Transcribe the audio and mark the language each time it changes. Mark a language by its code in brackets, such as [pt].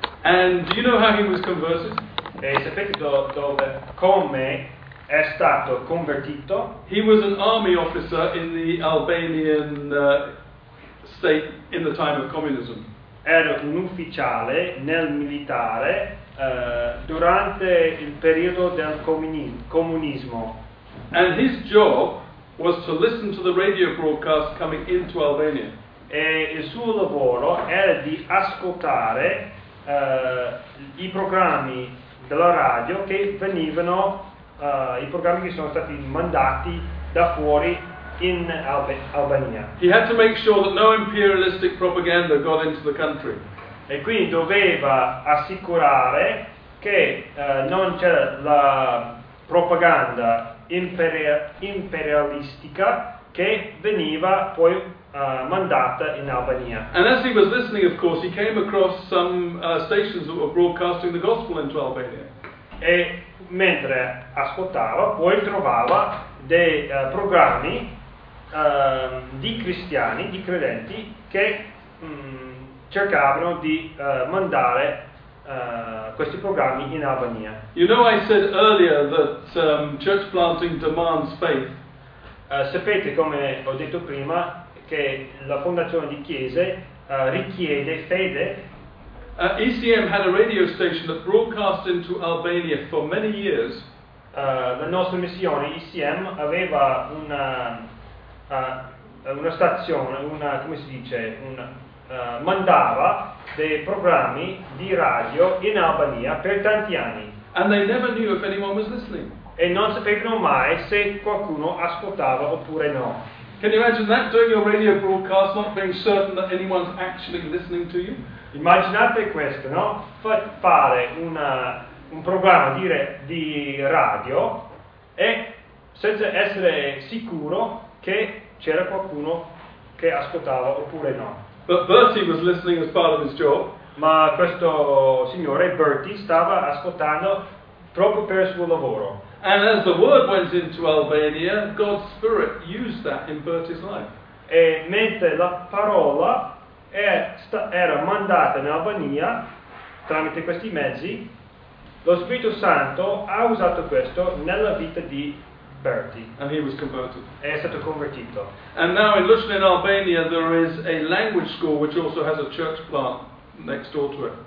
[en] And do you know how he was converted? [it] E sapete dove come è stato convertito? [en] He was an army officer in the Albanian state in the time of communism. [it] Era un ufficiale nel militare durante il periodo del comunismo. [en] And his job was to listen to the radio broadcast coming into Albania. [it] E il suo lavoro era di ascoltare i programmi della radio che venivano i programmi che sono stati mandati da fuori in Albania. [en] He had to make sure that no imperialistic propaganda got into the country. [it] E quindi doveva assicurare che non c'era la propaganda imperialistica che veniva poi mandata in Albania. [en] And as he was listening, of course, he came across some stations that were broadcasting the gospel into Albania. [it] E mentre ascoltava, poi trovava dei programmi di cristiani, di credenti, che cercavano di mandare questi programmi in Albania. [en] You know, I said earlier that church planting demands faith. [it] Sapete, come ho detto prima, che la fondazione di chiese richiede fede. [en] ECM had a radio station that broadcast into Albania for many years. [it] La nostra missione ECM aveva una stazione, una, come si dice, una, mandava dei programmi di radio in Albania per tanti anni. [en] And they never knew if anyone was listening. [it] E non sapevano mai se qualcuno ascoltava oppure no. [en] Can you imagine that, doing your radio broadcast, not being certain that anyone's actually listening to you? [it] Immaginate questo, no? Fare un programma di radio e senza essere sicuro che c'era qualcuno che ascoltava oppure no. [en] But Bertie was listening as part of his job. [it] Ma questo signore Bertie stava ascoltando proprio per il suo lavoro. [en] And as the word went into Albania, God's Spirit used that in Bertie's life. [it] E mentre la parola era mandata in Albania tramite questi mezzi, lo Spirito Santo ha usato questo nella vita di Bertie. [en] And he was converted. [it] È stato convertito. [en] And now in Lushnja in Albania there is a language school which also has a church plant next door to it.